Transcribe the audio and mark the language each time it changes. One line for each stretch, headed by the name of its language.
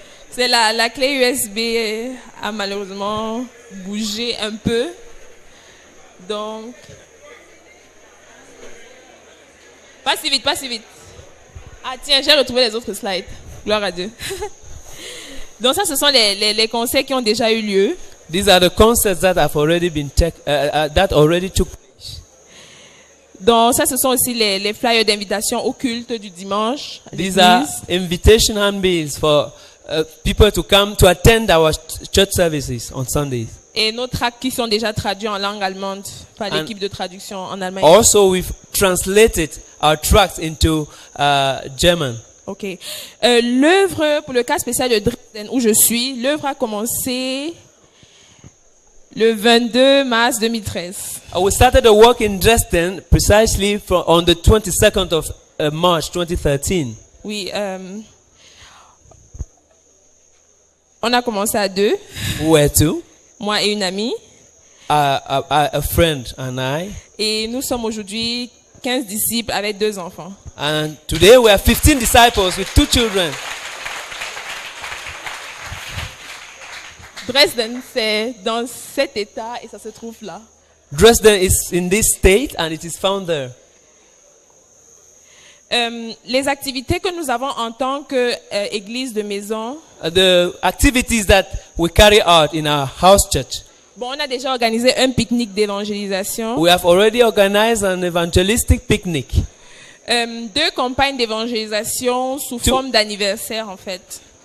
French: C'est la clé USB a malheureusement bougé un peu. Donc... Pas si vite, pas si vite. Ah tiens, j'ai retrouvé les autres slides. Gloire à Dieu. Donc ça, ce sont les conseils qui ont déjà eu lieu.
English: These are the concerts that have already been that already took place.
French: Donc ça, ce sont aussi les flyers d'invitation au culte du dimanche.
English: These are invitation handbills for people to come to attend our church services on Sundays.
French: Et nos tracts qui sont déjà traduits en langue allemande par l'équipe de traduction en allemand.
English: Also, we've translated our tracts into German. Ok.
French: L'œuvre, pour le cas spécial de Dresden où je suis, l'œuvre a commencé le 22 mars 2013.
English: We started the work in Dresden precisely on the 22nd of March 2013.
French: Oui. On a commencé à deux.
English: Where to?
French: Moi et une amie.
English: A friend and I.
French: Et nous sommes aujourd'hui 15 disciples avec deux enfants.
English: And today we are 15 disciples with two children.
French: Dresden, c'est dans cet état et ça se trouve là.
English: Dresden is in this state and it is found there.
French: Les activités que nous avons en tant que église de maison.
English: The activities that we carry out in our house church.
French: Bon, on a déjà organisé un pique-nique d'évangélisation.
English: We have already organized an evangelistic picnic.
French: Deux campagnes d'évangélisation sous forme d'anniversaire, en fait.